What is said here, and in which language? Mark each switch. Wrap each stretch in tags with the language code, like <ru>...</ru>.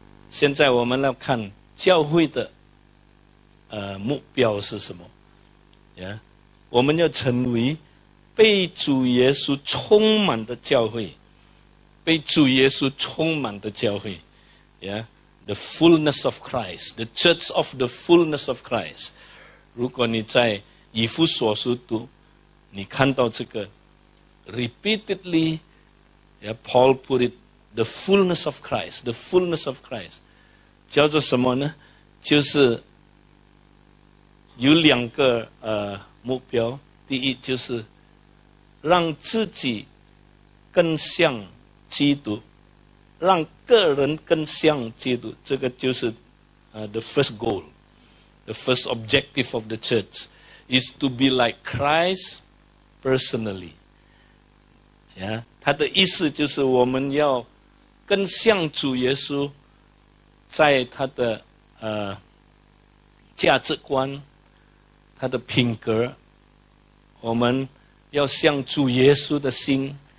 <zh>现在我们来看教会的目标是什么？</zh> <en>Yeah?</en> <zh>我们要成为被主耶稣充满的教会，被主耶稣充满的教会。</zh> <en>Yeah? The fullness of Christ, the church of the fullness of Christ。</en> <zh>如果你在以弗所书读，你看到这个 repeatedly，</zh> <en>yeah, Paul put it the fullness of Christ， the fullness of Christ</en> <zh>叫做什么呢？就是有两个目标，第一就是让自己更像基督，让个人更像基督，这个就是</zh> <en>the first goal， the first objective of the church is to be like Christ personally.</en> <zh>Yeah, 他的意思就是我们要更像主耶稣，在他的价值观、他的品格，我们要像主耶稣的心。</zh>